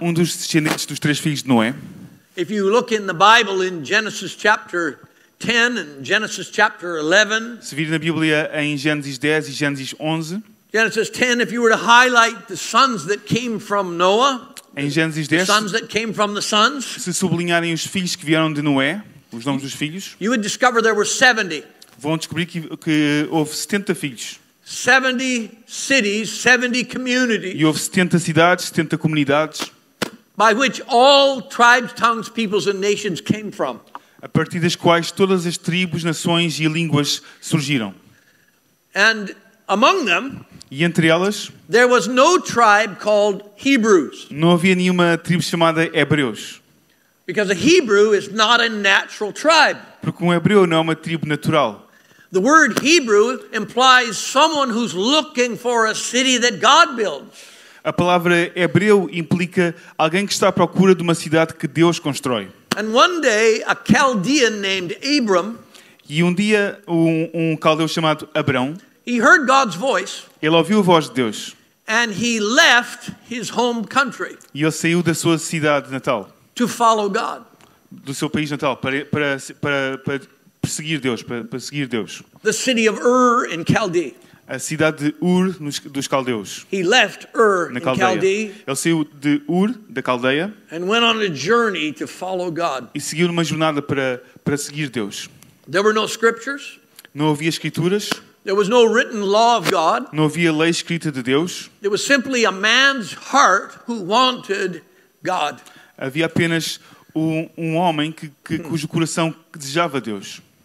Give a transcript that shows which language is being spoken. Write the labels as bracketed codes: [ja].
[pt] um dos descendentes dos três filhos de Noé, [en] if you look in the Bible in Genesis chapter 10 and Genesis chapter 11, [pt] se vir na Bíblia em Gênesis 10 e Gênesis 11, [en] Genesis 10, if you were to highlight the sons that came from Noah, [pt] em Gênesis 10, [en] the sons that came from the sons, [pt] se sublinharem os filhos que vieram de Noé, os nomes dos filhos, [en] you would discover there were 70. [pt] Vão descobrir que houve 70 filhos. [en] 70 cities, 70 communities. [pt] E houve 70 cidades, 70 comunidades. [en] By which all tribes, tongues, peoples and nations came from. [pt] A partir das quais todas as tribos, nações e línguas surgiram. [en] And among them, [pt] e entre elas, [en] there was no tribe called Hebrews. [pt] Não havia nenhuma tribo chamada Hebreus. [en] Because a Hebrew is not a natural tribe. [pt] Porque um Hebreu não é uma tribo natural. [en] The word Hebrew implies someone who's looking for a city that God builds. [pt] A palavra Hebreu implica alguém que está à procura de uma cidade que Deus constrói. [en] And one day, a Chaldean named Abram, [pt] e um dia um caldeu chamado Abrão, [en] he heard God's voice, [pt] ele ouviu a voz de Deus, [en] and he left his home country, [pt] e ele saiu da sua cidade natal, [en] to follow God. [pt] Do seu país natal, para seguir Deus, para seguir Deus. [en] The city of in Chaldee. [pt] A cidade de Ur dos Caldeus. [en] He left [pt] na Caldeia. Ele saiu de Ur, da Caldeia. [en] And went on a journey to follow God. [pt] E seguiu numa jornada para seguir Deus. [en] There were no scriptures. [pt] Não havia escrituras. [en] There was no written law of God. [pt] Não havia lei escrita de Deus. [en] There was simply a man's heart who wanted God. [pt] Havia apenas um homem cujo coração desejava Deus.